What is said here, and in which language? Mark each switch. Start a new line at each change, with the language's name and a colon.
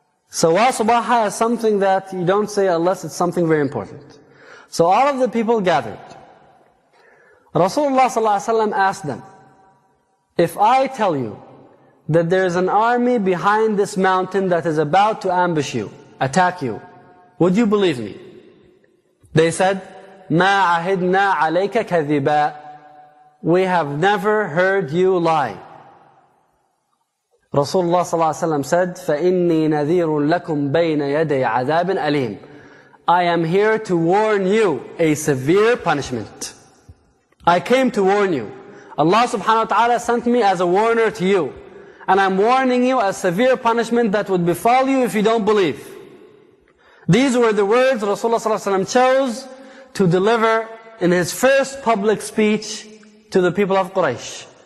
English: So
Arabic: وَصُبَاحَا
English: is something that you don't say unless it's something very important. So all of the people gathered. Rasulullah صلى الله عليه وسلم asked them, if I tell you that there is an army behind this mountain that is about to ambush you, attack you, would you believe me?
Arabic: They said, مَا عَهِدْنَا عَلَيْكَ كَذِبًا.
English: We have never heard you lie. Rasulullah صلى الله عليه وسلم said,
Arabic: فَإِنِّي نَذِيرٌ لَكُمْ بَيْنَ يَدَيْ عَذَابٍ أَلِيمٍ.
English: I am here to warn you a severe punishment. I came to warn you. Allah subhanahu wa ta'ala sent me as a warner to you. And I'm warning you a severe punishment that would befall you if you don't believe. These were the words Rasulullah صلى الله عليه وسلم chose to deliver in his first public speech to the people of Quraysh.